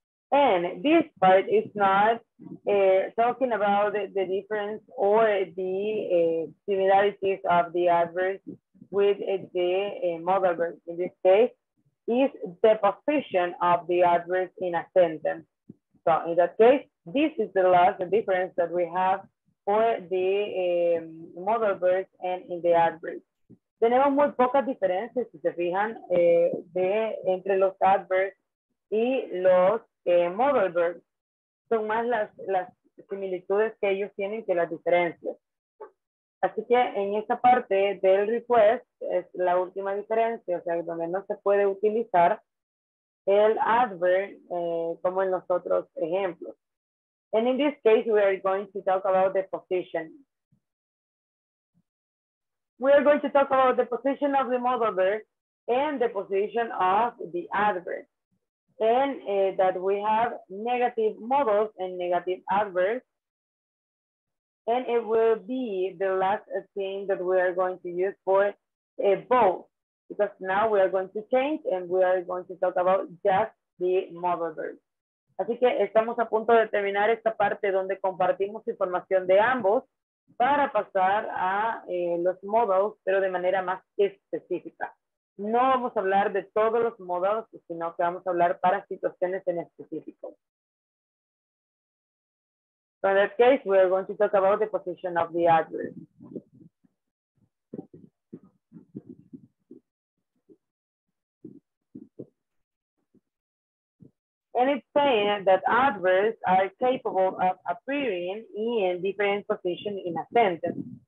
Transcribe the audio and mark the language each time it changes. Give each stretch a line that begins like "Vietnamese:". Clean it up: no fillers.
English: And this part is not talking about the difference or the similarities of the adverbs with the modal verb. In this case, is the position of the adverbs in a sentence. So in that case, this is the last difference that we have for the modal verbs and in the adverbs.
Spanish: Tenemos muy pocas diferencias, si se fijan, entre los adverbs y los modal verbs. Son más las similitudes que ellos tienen que las diferencias. Así que en esta parte del request es la última diferencia, o sea, donde no se puede utilizar el adverb como en los otros ejemplos.
English: And in this case, we are going to talk about the position. We are going to talk about the position of the modal verb and the position of the adverb. And that we have negative modals and negative adverbs. And it will be the last thing that we are going to use for both. Because now we are going to change and we are going to talk about just the modal verb.
Spanish: Así que estamos a punto de terminar esta parte donde compartimos información de ambos para pasar a los modals, pero de manera más específica. No vamos a hablar de todos los modals, sino que vamos a hablar para situaciones en específico.
English: So in that case, we are going to talk about the position of the adverb. And it's saying that adverbs are capable of appearing in different positions in a sentence.